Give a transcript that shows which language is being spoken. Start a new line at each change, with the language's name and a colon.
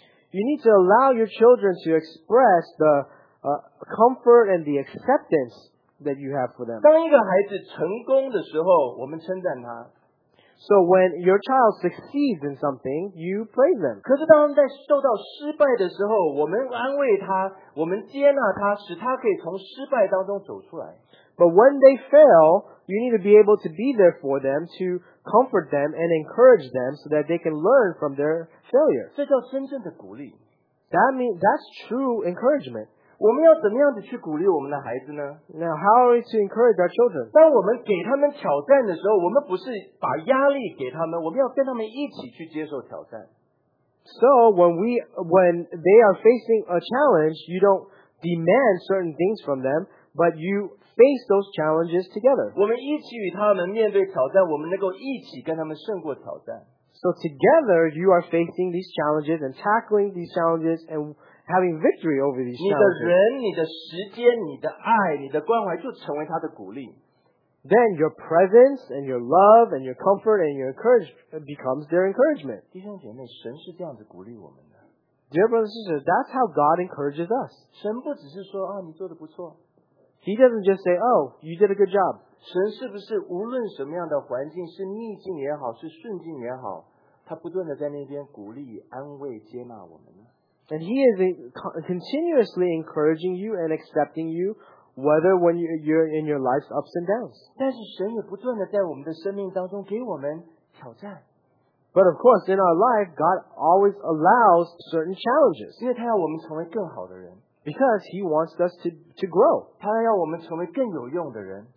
English: You need to allow your children to express the comfort and the acceptance that you have for them.
Chinese: 当一个孩子成功的时候, 我们称赞他。
English: So when your child succeeds in something, you praise them.
Chinese: 可是当他们在受到失败的时候, 我们安慰他, 我们接纳他, 使他可以从失败当中走出来。
English: But when they fail, you need to be able to be there for them, to comfort them and encourage them so that they can learn from their failure.
Chinese: 这叫真正的鼓励。
English: That's true encouragement.
Chinese: 我们要怎么样的去鼓励我们的孩子呢?
English: Now, how are we to encourage our children?
Chinese: 当我们给他们挑战的时候, 我们不是把压力给他们, 我们要跟他们一起去接受挑战。
English: So, when they are facing a challenge, you don't demand certain things from them, but you face those challenges together.
Chinese: 我们一起与他们面对挑战, 我们能够一起跟他们胜过挑战。
English: So, together, you are facing these challenges and tackling these challenges and having victory over these challenges.
Chinese: 你的人, 你的时间, 你的爱, 你的关怀就成为他的鼓励。
English: Then your presence and your love and your comfort and your encouragement becomes their encouragement.
Chinese: 弟兄姐妹, 神是这样子鼓励我们的。
English: Dear brothers and sisters, that's how God encourages us.
Chinese: 神不只是说, 啊, 你做得不错。
English: He doesn't just say, oh, you did a good job.
Chinese: 神是不是无论什么样的环境, 是逆境也好, 是顺境也好, 他不断地在那边鼓励, 安慰, 接纳我们呢?
English: And He is continuously encouraging you and accepting you, whether when you're in your life's ups and downs.
Chinese: 但是神也不断地在我们的生命当中给我们挑战。
English: But of course, in our life, God always allows certain challenges.
Chinese: 因为他要我们成为更好的人。
English: Because He wants us to grow.
Chinese: 他要我们成为更有用的人。